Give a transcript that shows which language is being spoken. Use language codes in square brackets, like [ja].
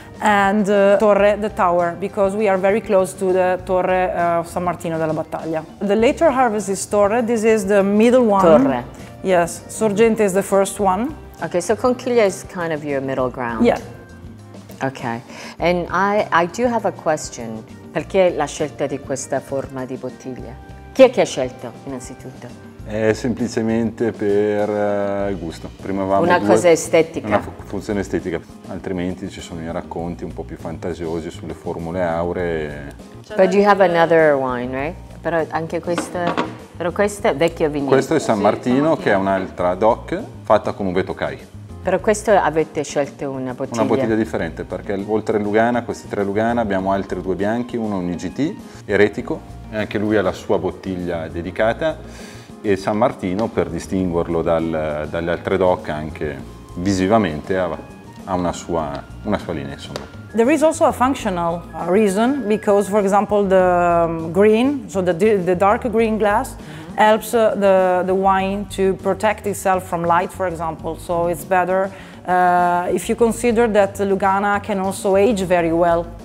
[en] and Torre, the tower, because we are very close to the Torre of San Martino della Battaglia. The later harvest is Torre, this is the middle one. Torre. Yes, Sorgente is the first one. Okay, so Conchiglia is kind of your middle ground. Yeah. Okay, and I do have a question. [it] Perché la scelta di questa forma di bottiglia? Chi è che ha scelto, innanzitutto? È semplicemente per gusto. Prima avevamo una cosa estetica. Una funzione estetica. Altrimenti ci sono i racconti un po' più fantasiosi sulle formule auree. [en] But you have another wine, right? [it] Però anche questa, però questa è vecchio vigneto. Questo è San Martino, che è un'altra DOC fatta con un vetocai. Però questo avete scelto una bottiglia? Una bottiglia differente, perché oltre Lugana, questi tre Lugana, abbiamo altri due bianchi, uno un IGT, eretico, e anche lui ha la sua bottiglia dedicata. E San Martino, per distinguerlo dalle altre DOC anche visivamente, ha una sua linea, insomma. [en] There is also a functional reason, because for example the green, so the dark green glass, helps the wine to protect itself from light, for example. So it's better if you consider that Lugana can also age very well.